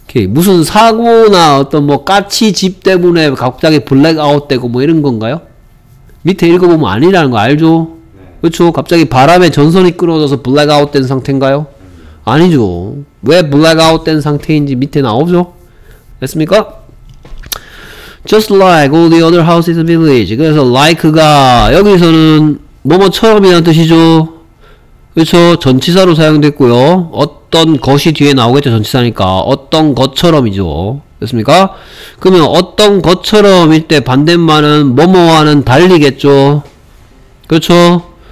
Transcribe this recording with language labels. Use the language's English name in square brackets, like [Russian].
[Korean] 무슨 사고나 어떤 뭐 까치 집 때문에 갑자기 블랙아웃 되고 뭐 이런 건가요? 밑에 읽어보면 아니라는 거 알죠? 네. 그쵸? 갑자기 바람에 전선이 끌어져서 블랙아웃 된 상태인가요? 아니죠. 왜 블랙아웃 된 상태인지 밑에 나오죠? 됐습니까? [English] Just like all the other houses in the village. [Korean] 그래서 like가 여기서는 뭐뭐처럼이라는 뜻이죠? 그쵸? 전치사로 사용됐고요. 어떤 것이 뒤에 나오겠죠? 전치사니까. 어떤 것처럼이죠. 됐습니까? 그러면 어떤 것처럼 이때 반대말은 뭐뭐와는 달리겠죠? 그렇죠?